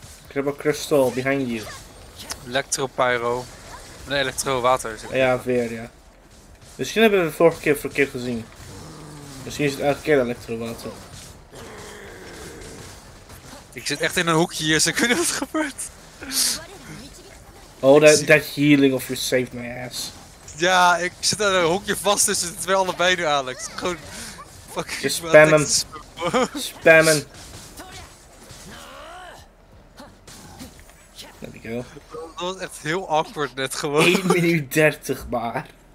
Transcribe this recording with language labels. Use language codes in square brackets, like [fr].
[en] Crabble Crystal, behind you. [nl] Electropyro. Nee, Electrowater. Ja, weer, ja. Misschien hebben we het vorige keer verkeerd gezien. Misschien is het elke keer Electrowater. Ik zit echt in een hoekje hier, dus ik weet niet wat er gebeurt. [en] Oh, that healing of you saved my ass. [nl] Ja, ik zit aan een hoekje vast tussen de twee allebei nu, Alex. Gewoon... Fuck. [en] Just spam hem. Spam hem. There we go. [nl] Dat was echt heel awkward net gewoon. 1 minuut 30 maar.